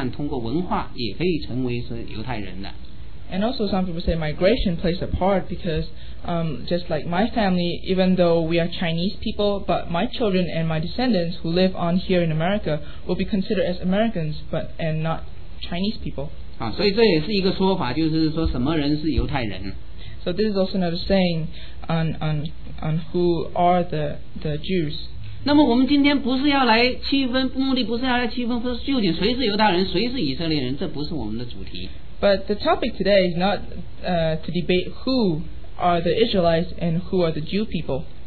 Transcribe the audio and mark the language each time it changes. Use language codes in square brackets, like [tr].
[zh] 那么还有一些人更讲进酒一步说只要是通过文化上面的遗传他们呢也可以是成为犹太人就像比如说咱们在我们的二代渔民像我的孩子他出生在美国比如他们是中国人但他们是美国人就像这样通过文化也可以成为犹太人的。 [en] And also some people say migration plays a part because just like my family, even though we are Chinese people, but my children and my descendants who live on here in America will be considered as Americans but and not Chinese people. [zh] 所以这也是一个说法就是说什么人是犹太人。 [en] So this is also another saying on who are the Jews. [zh] 那么我们今天不是要来区分，目的不是要来区分，说究竟谁是犹太人，谁是以色列人，这不是我们的主题。 [en] But the topic today is not to debate who are the Israelites and who are the Jew people.